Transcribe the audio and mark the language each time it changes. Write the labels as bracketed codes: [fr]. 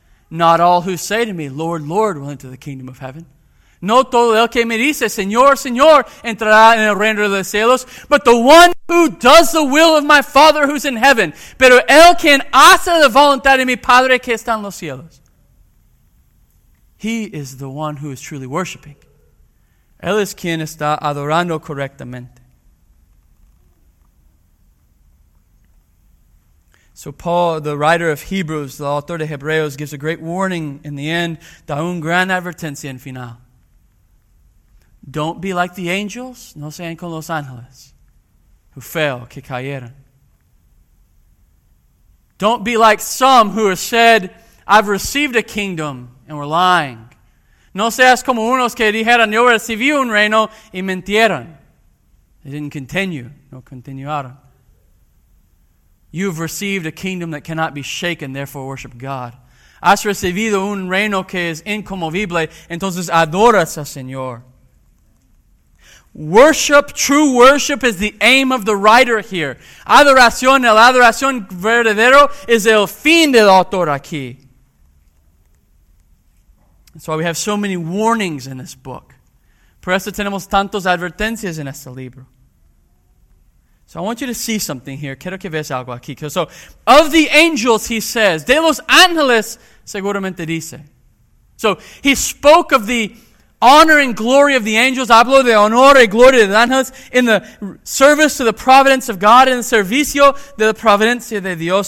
[en] Not all who say to me, Lord, Lord, will enter the kingdom of heaven. [es] No todo el que me dice, Señor, Señor, entrará en el reino de los cielos. [en] But the one who does the will of my Father who's in heaven. [es] Pero el quien hace la voluntad de mi Padre que está en los cielos. [en] He is the one who is truly worshiping. [es] Él es quien está adorando correctamente. [en] So Paul, the writer of Hebrews, the author de Hebreos, gives a great warning in the end, da un gran advertencia en final. Don't be like the angels, no sean como los ángeles, who fell, que cayeron. Don't be like some who have said, I've received a kingdom, and were lying. [es] No seas como unos que dijeron, yo recibí un reino, y mintieron. [en] They didn't continue, no continuaron. You've received a kingdom that cannot be shaken, therefore worship God. [es] Has recibido un reino que es inconmovible, entonces adoras al Señor. [en] Worship, true worship, is the aim of the writer here. [es] Adoración, la adoración verdadero, is el fin del autor aquí. [en] That's why we have so many warnings in this book. [es] Por eso tenemos tantas advertencias en este libro. [en] So I want you to see something here. Quiero que veas algo aquí. So, of the angels, he says, de los ángeles, seguramente dice. So, he spoke of the honor and glory of the angels. [es] Habló de honor y gloria de los ángeles in the service to the providence of God and servicio de la providencia de Dios.